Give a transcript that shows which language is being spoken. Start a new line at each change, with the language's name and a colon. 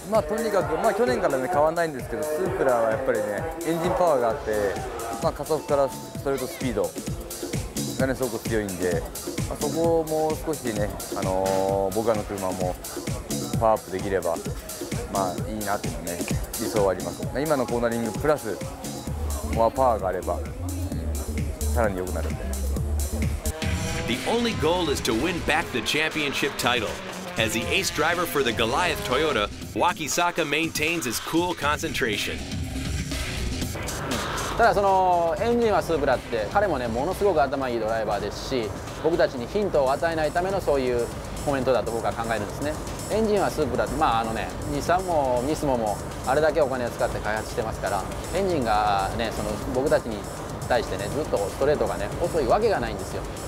Japanese: まあとにかくまあ去年からね変わんないんですけど、スープラはやっぱりねエンジンパワーがあって、まあ加速からストレートスピードがねすごく強いんで、まあ、そこをもう少しね僕らの車もパワーアップできれば。まあいいなっていうのね理想はあります。今のコーナリングプラスモアパワーがあればさらに良くなるんで。
English: The only goal is to win back the championship title. As the ace driver for the Goliath Toyota, Wakisaka maintains his cool concentration.
Japanese: ただそのエンジンはスープラって彼もねものすごく頭いいドライバーですし、僕たちにヒントを与えないためのそういうコメントだと僕は考えるんですね。エンジンはスープラ、まああのね、日産もニスモもあれだけお金を使って開発してますから、エンジンがね、その僕たちに対してね、ずっとストレートがね、遅いわけがないんですよ。